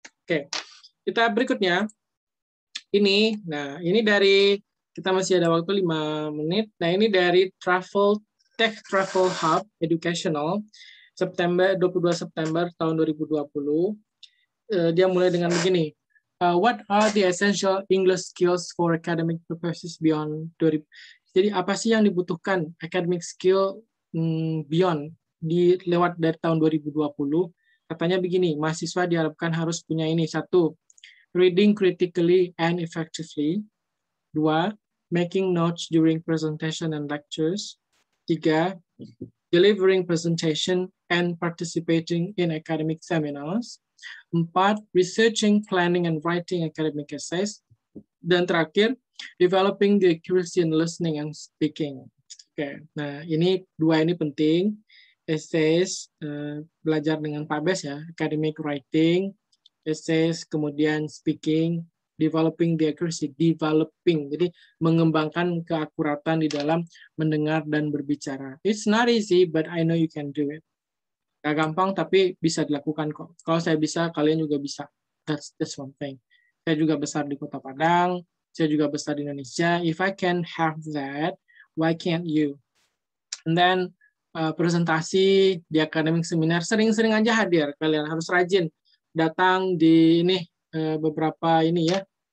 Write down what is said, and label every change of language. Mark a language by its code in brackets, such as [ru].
[id] Oke, kita berikutnya. Ini, nah ini dari, kita masih ada waktu 5 menit. Nah ini dari Travel Tech Travel Hub Educational, September 22 tahun 2020. Dia mulai dengan begini. [en] What are the essential English skills for academic purposes beyond 2020? [id] Jadi apa sih yang dibutuhkan academic skill beyond di lewat dari tahun 2020? Katanya begini, mahasiswa diharapkan harus punya ini. [en] 1. Reading critically and effectively. 2. Making notes during presentation and lectures. 3. Delivering presentation and participating in academic seminars. 4. Researching, planning, and writing academic essays. [id] Dan terakhir, [en] developing the accuracy in listening and speaking. [id] Okay. Nah, ini dua ini penting. Essays, belajar dengan PABES ya, academic writing, essays, kemudian speaking, [en] developing the accuracy, developing. [id] Jadi mengembangkan keakuratan di dalam mendengar dan berbicara. [en] It's not easy, but I know you can do it. [id] Gak gampang, tapi bisa dilakukan kok. Kalau saya bisa, kalian juga bisa. [en] That's one thing. [id] Saya juga besar di Kota Padang, saya juga besar di Indonesia. [en] If I can have that, why can't you? And then, [id] presentasi di academic seminar, sering-sering aja hadir. Kalian harus rajin datang di ini, beberapa ini ya.